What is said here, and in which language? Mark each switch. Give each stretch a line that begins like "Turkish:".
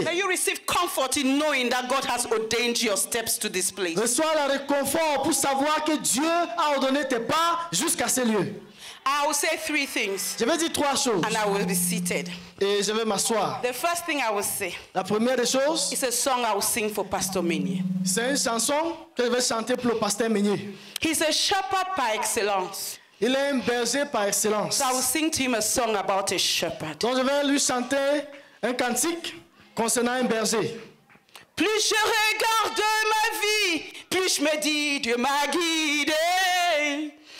English: May you receive comfort in knowing that God has ordained your steps to this place.
French: Reçois le réconfort pour savoir que Dieu a ordonné tes pas jusqu'à ce lieu.
English: I will say three things.
French: Je vais dire trois choses.
English: And I will be seated.
French: Et je vais m'asseoir.
English: The first thing I will say.
French: La première des choses.
English: It's a song I will sing for Pastor Meunier.
French: C'est une chanson que je vais chanter pour le pasteur Meunier.
English: He's a shepherd by excellence.
French: Il est un berger par excellence.
English: So I will sing to him a song about a shepherd.
French: Donc je vais lui chanter un cantique concernant un berger. Plus je regarde ma vie, plus je me dis Dieu m'a guidé.